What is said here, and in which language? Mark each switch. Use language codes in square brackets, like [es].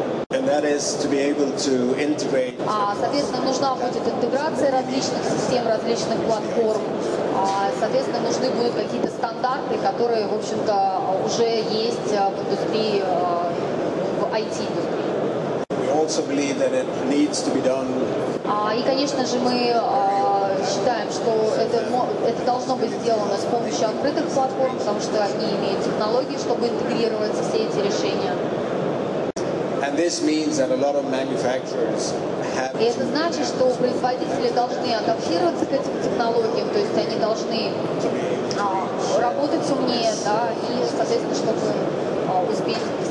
[ru] Соответственно, нужна будет интеграция различных систем, различных платформ. Соответственно, нужны будут какие-то стандарты, которые, в общем-то, уже есть в индустрии IT. [en] We also believe that it needs to be done. [ru] И, конечно же, мы считаем, что это должно быть сделано с помощью открытых платформ, потому что они имеют технологии, чтобы интегрировать все эти решения. [en] And this means that a lot of manufacturers have. [ru] И это значит, что производители должны адаптироваться к этим технологиям, то есть они должны работать умнее, да, и, соответственно, чтобы успеть.